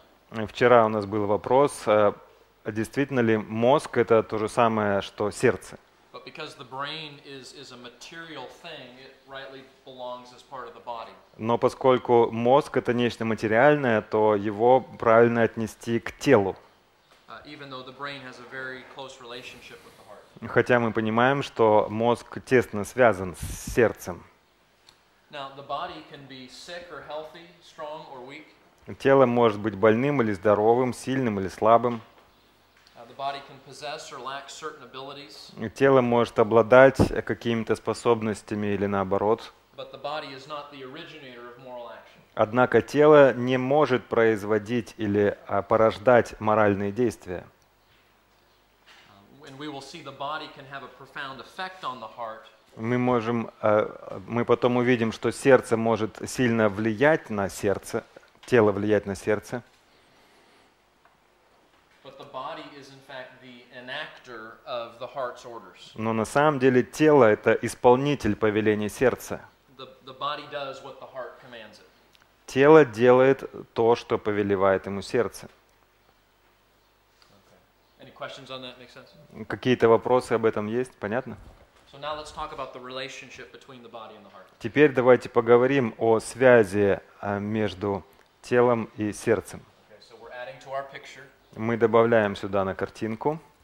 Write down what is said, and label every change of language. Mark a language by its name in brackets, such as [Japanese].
[Russian] Вчера у нас был вопрос, действительно ли мозг — это то же самое, что сердце? [English] But because the brain is a material thing, it rightly belongs as part of the body. [Russian] Но поскольку мозг — это нечто материальное, то его правильно отнести к телу. [English] Even though the brain has a very close relationship with the heart. [Russian] Хотя мы понимаем, что мозг тесно связан с сердцем. [English] Now the body can be sick or healthy, strong or weak. [Russian] Тело может быть больным или здоровым, сильным или слабым. [English] Body can possess or lack certain abilities. [Russian] Тело может обладать какими-то способностями или наоборот. [English] But the body is not the originator of moral action. [Russian] Однако тело не может производить или порождать моральные действия. [English] And we will see the body can have a profound effect on the heart. [Russian] Мы потом увидим, что сердце может сильно влиять на сердце, тело влиять на сердце. [English] But the body is in fact the enactor of the heart's orders. [Russian] Но на самом деле тело — это исполнитель повеления сердца. [English] The body does what the heart commands it. [Russian] Тело делает то, что повелевает ему сердце. [English] Okay. Any questions on that? Make sense? [Russian] Какие-то вопросы об этом есть? Понятно? [English] So now let's talk about the relationship between the body and the heart. [Russian] Теперь давайте поговорим о связи между телом и сердцем. [English] Okay, so we're adding to our picture. [Russian] Мы добавляем сюда на картинку.